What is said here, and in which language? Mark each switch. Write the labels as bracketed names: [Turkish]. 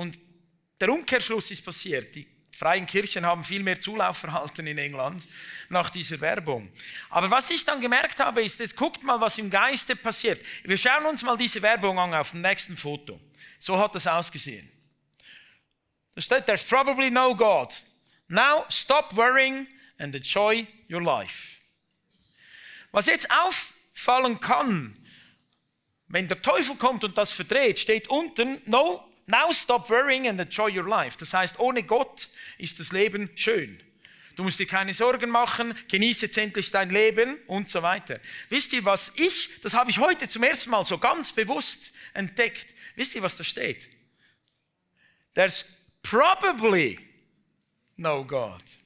[German] Und der Umkehrschluss ist passiert. Die freien Kirchen haben viel mehr Zulauf erhalten in England nach dieser Werbung. Aber was ich dann gemerkt habe, ist, jetzt guckt mal, was im Geiste passiert. Wir schauen uns mal diese Werbung an auf dem nächsten Foto. So hat das ausgesehen. Da steht, [English] there's probably no God. Now stop worrying and enjoy your life. [German] Was jetzt auffallen kann, wenn der Teufel kommt und das verdreht, steht unten, [English] no God. Now stop worrying and enjoy your life. [German] Das heißt, ohne Gott ist das Leben schön. Du musst dir keine Sorgen machen, genieße jetzt endlich dein Leben und so weiter. Wisst ihr, was ich, das habe ich heute zum ersten Mal so ganz bewusst entdeckt. Wisst ihr, was da steht? [English] There's probably no God.